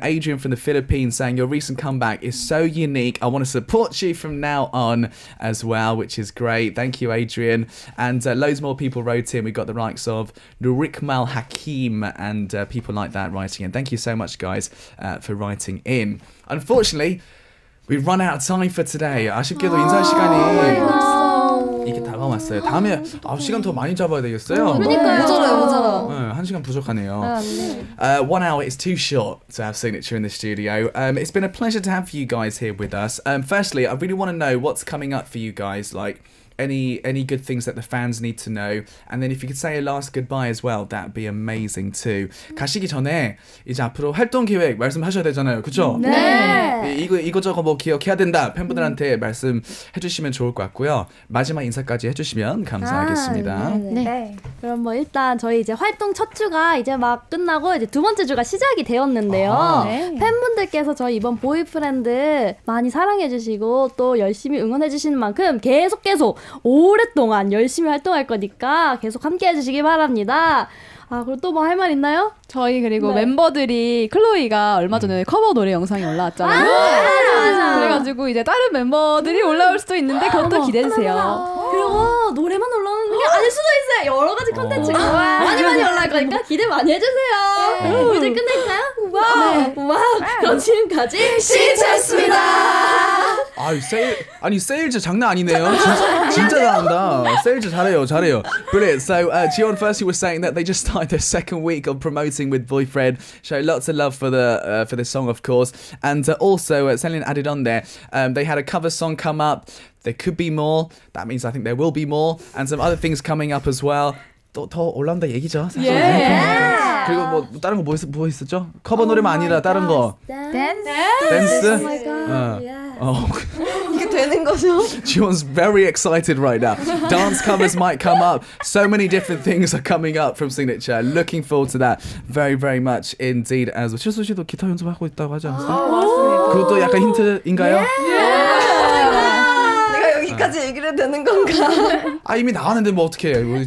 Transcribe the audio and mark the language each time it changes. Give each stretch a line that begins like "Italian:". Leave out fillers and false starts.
English: Adrian from the Philippines saying your recent comeback is so unique. I want to support you from now on as well, which is great. Thank you, Adrian. And loads more people wrote in. We got the likes of Nurikmal Hakim and people like that writing in. Thank you so much, guys, for writing in. Unfortunately, we've run out of time for today.
Korean: 아쉽게도 인사 시간이 이렇게 다가왔어요. 다음에 시간 더 많이 잡아야 되겠어요. 부족해요. 한 시간 부족하네요.
English: One hour is too short to have Signature in the studio. It's been a pleasure to have you guys here with us. Firstly, I really want to know what's coming up for you guys. Like, any good things that the fans need to know. And then if you could say a last goodbye as well, that'd be amazing too.
Korean: 가시기 전에 이제 앞으로 활동 계획 말씀하셔야 되잖아요. 그렇죠? 네. 이거저거 뭐 기억해야 된다. 팬분들한테 말씀해 주시면 좋을 것 같고요. 마지막 인사까지 해 주시면 감사하겠습니다. 아, 네. 그럼 뭐 일단 저희 이제 활동 첫 주가 이제 막 끝나고 이제 두 번째 주가 시작이 되었는데요. 아, 네. 팬분들께서 저희 이번 보이프렌드 많이 사랑해 주시고 또 열심히 응원해 주시는 만큼 계속 오랫동안 열심히 활동할 거니까 계속 함께해 주시기 바랍니다. 아 그리고 또 뭐 할 말 있나요? 저희 그리고 네. 멤버들이 클로이가 얼마 전에 커버 노래 영상이 올라왔잖아요. 아, 맞아. 그래가지고 이제 다른 멤버들이 올라올 수도 있는데 그것도 기대주세요. 그리고 노래만 올라오는 게 아닐 수도 있어요. 여러 가지 컨텐츠가 많이 많이 올라올 거니까 기대 많이 해주세요. 네. 이제 끝낼까요? 와, 네. 와. 그럼 지금까지 시작했습니다. 아니 세일즈 장난 아니네요. 진짜 잘한다. 세일즈 잘해요. Brilliant.
English: So Jihyun first, he was saying that they just started their second week of promoting with Boyfriend. Show lots of love for the song, of course. And also Selin added on there, they had a cover song come up. There could be more. That means I think there will be more and some other things coming up as well.
Korean: 더 올라온다 얘기죠. 사실.
English: Yeah.
Korean: 그리고 뭐 다른 거 뭐 있었죠? 커버 노래만 아니라 다른 거. 댄스.
English: Oh my god.
Korean: Oh. 이게 되는 거죠?
English: Jihyun's very excited right now. Dance covers might come up. So many different things are coming up from Signature. Looking forward to that very, very much indeed. As
Korean: 칠수 씨도 기타 연습하고 있다고 하지 않았어요? 그것도 약간 힌트인가요?
English: Yeah.
Korean: 내가 여기까지 얘기를 해도 되는 건가? 아 이미 나왔는데 뭐 어떻게 해요?